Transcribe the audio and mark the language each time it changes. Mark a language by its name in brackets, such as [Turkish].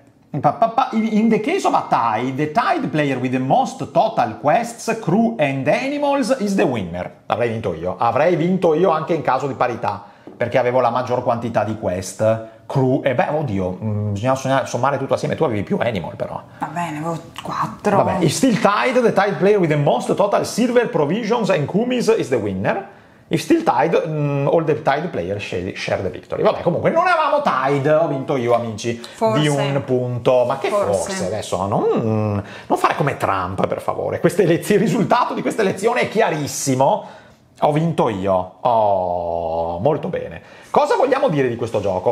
[English] In the case of a tie, the tied player with the most total quests, crew and animals is the winner. [Italian] Avrei vinto io anche in caso di parità, perché avevo la maggior quantità di quest, crew, e beh, oddio, bisogna sommare tutto assieme, tu avevi più animal però. Va bene, avevo 4. Vabbè, [English] if still tied, the tied player with the most total silver provisions and kumis is the winner. If still tied, all the tied players share the victory. [Italian] Vabbè, comunque non eravamo tied, ho vinto io, amici, forse, di un punto. Ma che forse adesso, non fare come Trump, per favore. Il risultato di questa elezione è chiarissimo. Ho vinto io. Oh, molto bene. Cosa vogliamo dire di questo gioco?